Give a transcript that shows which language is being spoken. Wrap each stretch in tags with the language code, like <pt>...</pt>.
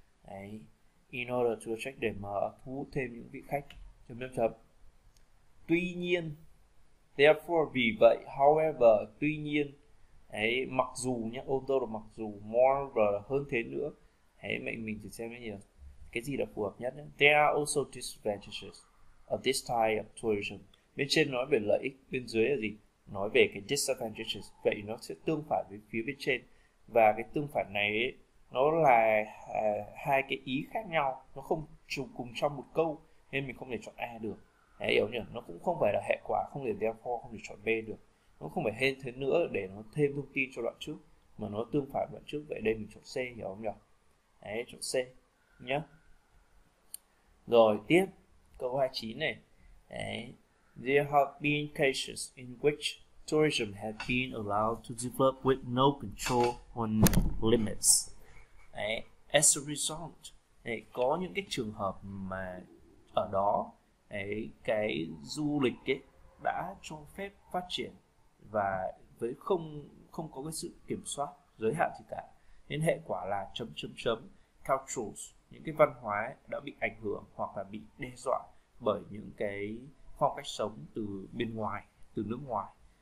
<vi>Đấy,</vi> <en>in order to attract,</en> <vi>để mà thu hút thêm những vị khách, chấm chấm chấm. Tuy nhiên, therefore, vì vậy, however, tuy nhiên, ấy, mặc dù nhé, although là mặc dù, more và hơn thế nữa, ấy, mình chỉ xem cái gì, cái gì là phù hợp nhất nhé.</vi> <en>There are also disadvantages of this type of tourism.</en> <vi>Bên trên nói về lợi ích, bên dưới là gì? Nói về cái disadvantages. Vậy nó sẽ tương phản với phía bên trên. Và cái tương phản này ấy, nó là hai cái ý khác nhau, nó không trùng cùng trong một câu, nên mình không thể chọn A được. Đấy, hiểu nhỉ? Nó cũng không phải là hệ quả, không thể therefore, không thể chọn B được. Nó không phải hên thế nữa để nó thêm thông tin cho đoạn trước, mà nó tương phản đoạn trước. Vậy đây mình chọn C, hiểu không nhỉ? Đấy, chọn C nhá. Rồi, tiếp câu 29 này. Đấy.</vi> <en>There have been cases in which tourism has been allowed to develop with no control on limits.</en> <vi>Đấy.</vi> <en>As a result,</en> <vi>đấy, có những cái trường hợp mà ở đó ấy, cái du lịch ấy đã cho phép phát triển và với không không có cái sự kiểm soát giới hạn gì cả, nên hệ quả là chấm chấm chấm, cultures, những cái văn hóa ấy đã bị ảnh hưởng hoặc là bị đe dọa bởi những cái phong cách sống từ bên ngoài, từ nước ngoài.</vi>